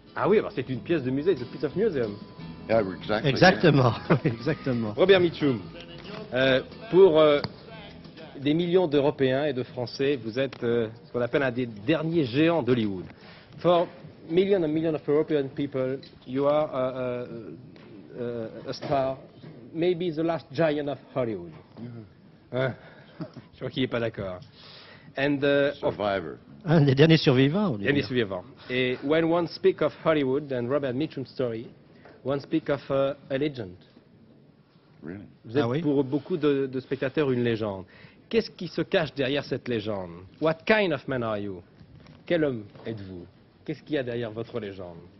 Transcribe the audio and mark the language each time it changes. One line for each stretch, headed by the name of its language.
French: Ah oui, c'est une pièce de musée, c'est
English: piece of museum. Yeah, exactly.
French: Exactement, exactement. Robert Mitchum, pour des millions d'Européens et de Français, vous êtes ce qu'on appelle un des derniers géants d'Hollywood.
English: For millions and millions of European people, you are a star, maybe the last giant of Hollywood.
French: Je crois qu'il n'est pas d'accord.
English: And survivor.
French: Un des derniers survivants. Derniers survivants.
English: Et when one speak of Hollywood and Robert Mitchum's story, one speak of a legend. Really?
French: Vous êtes pour beaucoup de spectateurs une légende. Qu'est-ce qui se cache derrière cette légende?
English: What kind of man are you?
French: Quel homme êtes-vous? Qu'est-ce qu'il y a derrière votre légende?